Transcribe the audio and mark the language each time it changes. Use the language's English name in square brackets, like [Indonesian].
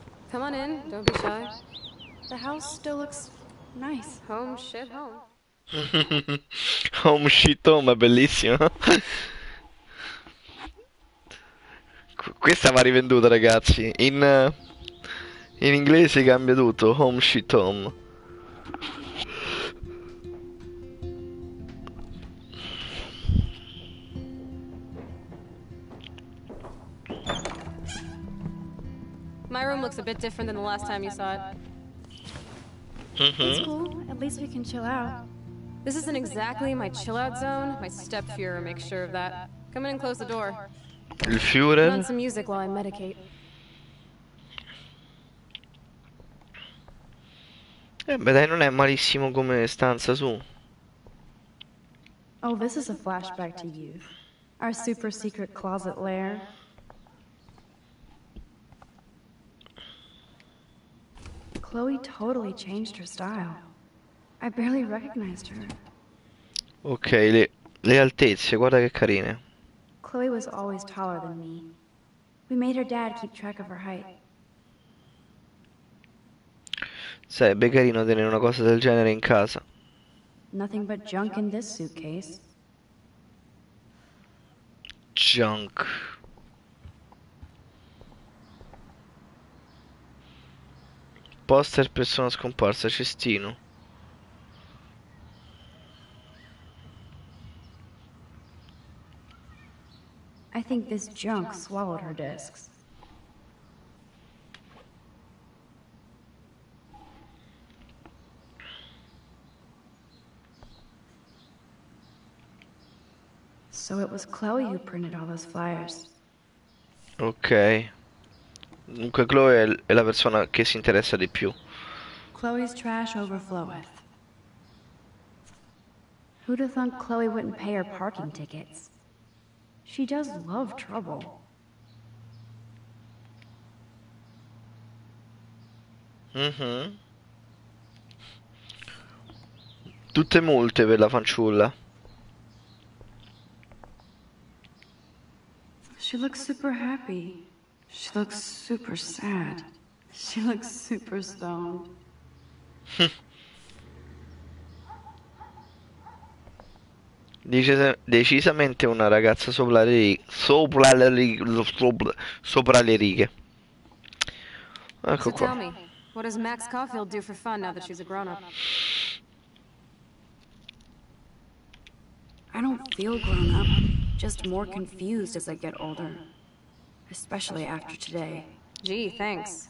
[English] Come on in, don't be shy. The house still looks nice. Home, shit, home. Home shit home [Italian] è bellissimo. Questa va rivenduta, ragazzi. In inglese cambia tutto. [English] Home shit home. My room looks a bit different than the last time you saw it. It's cool. At least we can chill out. This isn't exactly my chill-out zone. My step-Führer makes sure of that. Come in and close the door. [Italian] Il Führer? [English] Put on some music while I medicate. [Italian] Beh, dai, non è malissimo come stanza su. [English] Oh, this is a flashback to you. Our super-secret closet lair. Chloe totally changed her style. I barely recognized her. [Italian] Ok, le altezze, guarda che carine. [English] Chloe was always taller than me. We made her dad keep track of her height. [Italian] Sarebbe carino tenere una cosa del genere in casa. [English] Nothing but junk in this suitcase. Junk. [Italian] Poster persona scomparsa, cestino. [English] I think this junk swallowed her discs. So it was Chloe who printed all those flyers. Okay. [Italian] Dunque Chloe è la persona che si interessa di più. [English] Chloe's trash overfloweth. Who'd have thought Chloe wouldn't pay her parking tickets? She does love trouble. Mm-hmm. [Italian] Tutte multe per la fanciulla. [English] She looks super happy. She looks super sad. She looks super stoned. [Italian] Decisamente una ragazza sopra le righe. Ecco qua. [English] So tell me, what does Max Caulfield do for fun now that she's a grown-up? I don't feel grown up, just more confused as I get older. Especially after today. Gee, thanks.